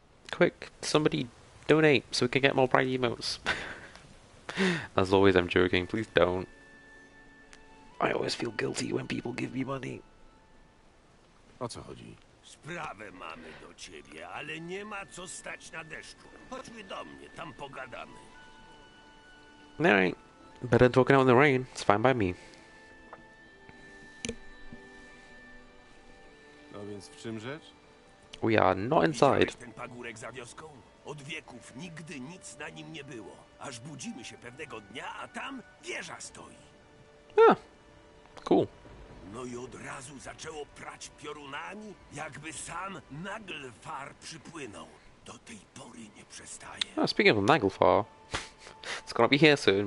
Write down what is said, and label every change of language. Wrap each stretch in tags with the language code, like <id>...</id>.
<en>Quick, somebody donate so we can get more bright emotes. As always, I'm joking. Please don't. I always feel guilty when people give me money.</en> <pl>O co chodzi? Sprawę mamy do ciebie, ale nie ma co stać na deszczu. Chodźmy do mnie, tam pogadamy.</pl> <en>Alright. Better than talking out in the rain. It's fine by me.</en> <pl>No więc w czym rzecz?</pl> <en>We are not inside.</en> <pl>Ten pagórek za wioską? Od wieków nigdy nic na nim nie było. Aż budzimy się pewnego dnia, a tam wieża stoi.</pl> <en>Yeah. Cool.</en> <pl>No i od razu zaczęło prać piorunami, jakby sam Naglfar przypłynął. Do tej pory nie przestaje.</pl> <en>Oh, speaking of Naglfar, it's gonna be here soon.</en>